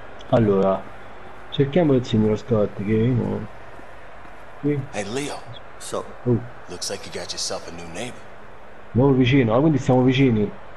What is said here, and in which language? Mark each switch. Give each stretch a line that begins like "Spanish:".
Italian: Allora, cerchiamo il signor Scott, che è uno. Qui.
English: Hey, Leo. So, looks like you got yourself a new neighbor.
Italian: Nuovo vicino, quindi siamo vicini.